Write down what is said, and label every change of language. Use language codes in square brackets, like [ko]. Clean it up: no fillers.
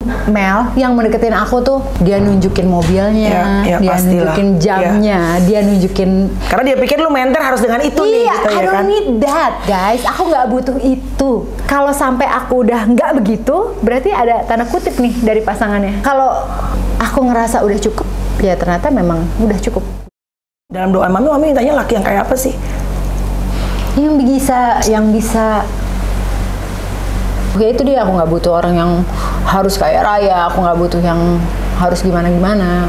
[id] Mel yang mendeketin aku tuh dia nunjukin mobilnya, ya, dia pastilah. Nunjukin jamnya, ya. Dia nunjukin karena dia pikir lu mentor harus dengan itu iya, gitu, [en] I don't need that guys, [id] aku nggak butuh itu. Kalau sampai aku udah nggak begitu, berarti ada tanda kutip nih dari pasangannya. Kalau aku ngerasa udah cukup, ya ternyata memang udah cukup. Dalam doa mami, mami mintanya laki yang kayak apa sih? Yang bisa ya itu dia, aku gak butuh orang yang harus kaya raya, aku gak butuh yang harus gimana-gimana.